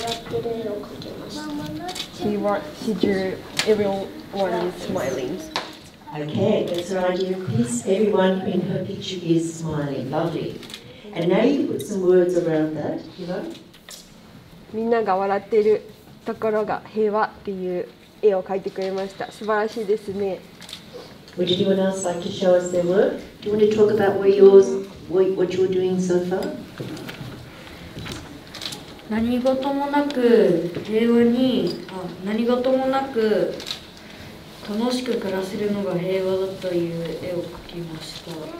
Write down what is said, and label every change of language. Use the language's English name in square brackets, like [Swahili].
[English] She wants to do everyone is smiling. Okay, that's her idea of peace. Everyone in her picture is smiling. Lovely. And now you put some words around that, [Japanese] みんなが笑ってるところが平和っていう絵を描いてくれました。素晴らしいですね。 [English] Would anyone else like to show us their work? Do you want to talk about where yours, what you're doing so far? [Japanese] 何事もなく平和に、何事もなく楽しく暮らせるのが平和だという絵を描きました。